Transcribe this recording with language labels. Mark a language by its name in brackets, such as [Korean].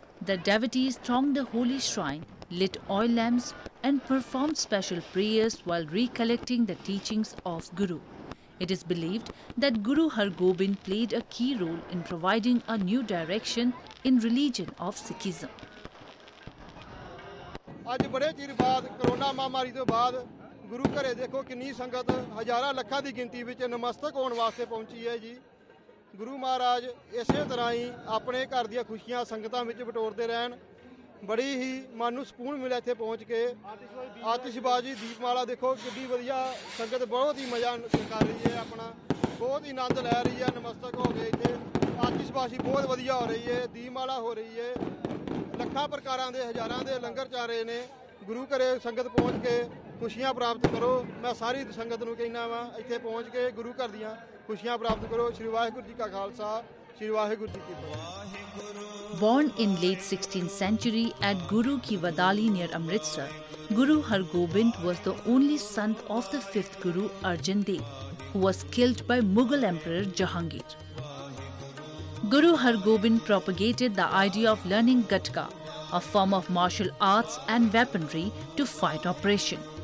[English] The devotees thronged the holy shrine, lit oil lamps and performed special prayers while recollecting the teachings of Guru. It is believed that Guru Hargobind played a key role in providing a new direction in religion of Sikhism. [Punjabi] ਅੱਜ ਬੜੇ ਚਿਰ ਬਾਅਦ corona ਮਹਾਮਾਰੀ ਤੋਂ ਬਾਅਦ ਗੁਰੂ ਘਰੇ ਦੇਖੋ ਕਿੰਨੀ ਸੰਗਤ ਹਜ਼ਾਰਾਂ ਲੱਖਾਂ ਦੀ ਗਿਣਤੀ ਵਿੱਚ ਨਮਸਤਕ ਹੋਣ ਵਾਸਤੇ ਪਹੁੰਚੀ ਹੈ ਜੀ ਗੁਰੂ ਮਹਾਰਾਜ ਇਸੇ ਤਰ੍ਹਾਂ ਹੀ ਆਪਣੇ ਘਰ ਦੀਆਂ ਖੁਸ਼ੀਆਂ ਸੰਗਤਾਂ ਵਿੱਚ ਬਟੋਰਦੇ ਰਹਿਣ ਬੜੀ ਹੀ ਮਨ ਨੂੰ ਸਕੂਨ ਮਿਲਿਆ ਇੱਥੇ ਪਹੁੰਚ ਕੇ ਆਤਿਸ਼ਬਾਜ਼ੀ ਦੀਪਮਾਲਾ ਦੇਖੋ ਕਿੱਡੀ ਵਧੀਆ ਸੰਗਤ ਬਹੁਤ ਹੀ ਮਜ਼ਾ ਕਰ ਰਹੀ ਹੈ ਆਪਣਾ ਬਹੁਤ ਹੀ ਆਨੰਦ ਲੈ ਰਹੀ ਹੈ ਨਮਸਤਕ ਹੋ ਗਏ ਇੱਥੇ ਆਤਿਸ਼ਬਾਜ਼ੀ ਬਹੁਤ ਵਧੀਆ ਹੋ ਰਹੀ ਹੈ ਦੀਪਮਾਲਾ ਹੋ ਰਹੀ ਹੈ ਲੱਖਾਂ ਪ੍ਰਕਾਰਾਂ ਦੇ ਹਜ਼ਾਰਾਂ ਦੇ ਲੰਗਰ ਚਾ ਰਹੇ ਨੇ ਗੁਰੂ ਘਰੇ ਸੰਗਤ ਪਹੁੰਚ ਕੇ ਖੁਸ਼ੀਆਂ ਪ੍ਰਾਪਤ ਕਰੋ ਮੈਂ ਸਾਰੀ ਸੰਗਤ ਨੂੰ ਕਹਿੰਦਾ ਵਾਂ ਇੱਥੇ ਪਹੁੰਚ ਕੇ ਗੁਰੂ ਘਰ ਦੀਆਂ ਖੁਸ਼ੀਆਂ ਪ੍ਰਾਪਤ ਕਰੋ ਸ਼੍ਰੀ ਵਾਹਿਗੁਰੂ ਜੀ ਕਾ ਖਾਲਸਾ ਸ਼੍ਰੀ ਵਾਹਿਗੁਰੂ ਜੀ ਕੀ ਫਤਿਹ [English] Born in late 16th century at Guru Ki Wadali near Amritsar, Guru Hargobind was the only son of the 5th Guru Arjan Dev, who was killed by Mughal Emperor Jahangir. Guru Hargobind propagated the idea of learning Gatka, a form of martial arts and weaponry to fight oppression.